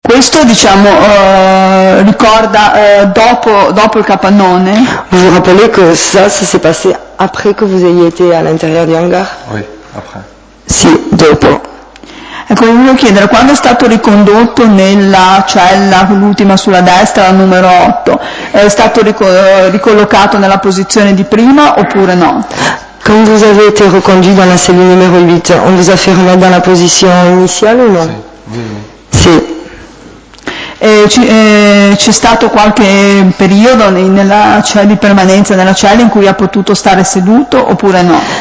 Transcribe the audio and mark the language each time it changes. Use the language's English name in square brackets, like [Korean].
[Italian] questo, diciamo, ricorda dopo il capannone. [French] Vous vous rappelez que ça, ça s'est passé après que vous ayez été à l'intérieur du hangar? Oui, après. [Italian] Sì, dopo. Ecco, voglio chiedere, quando è stato ricondotto nella cella, l'ultima sulla destra, la numero 8, è stato ricollocato nella posizione di prima oppure no? [French] Quand vous avez été reconduit dans la cellule numéro 8, on vous a fait remettre dans la position initiale ou non? [Italian] Sì. Sì. C'è stato qualche periodo nella cella di permanenza nella cella in cui ha potuto stare seduto oppure no?